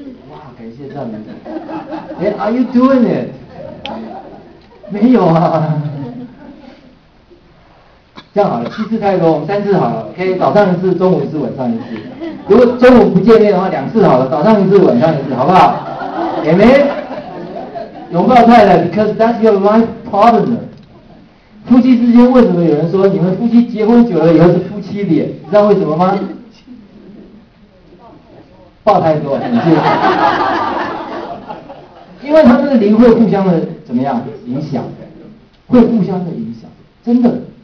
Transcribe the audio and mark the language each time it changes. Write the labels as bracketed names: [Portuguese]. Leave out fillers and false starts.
[Chinese] 哇，感谢赞美。哎 ， [English] Are you doing it？ [Chinese] 没有啊。这样好了，七次太多，我们三次好了。OK， 早上一次，中午一次，晚上一次。如果中午不见面的话，两次好了，早上一次，晚上一次，好不好 ？Amen。拥抱太太 ， [English] because that's your life partner。 [Chinese] 夫妻之间为什么有人说你们夫妻结婚久了以后是夫妻脸？你知道为什么吗？抱太多，感谢。因为他们的灵会互相的怎么样影响，会互相的影响，真的。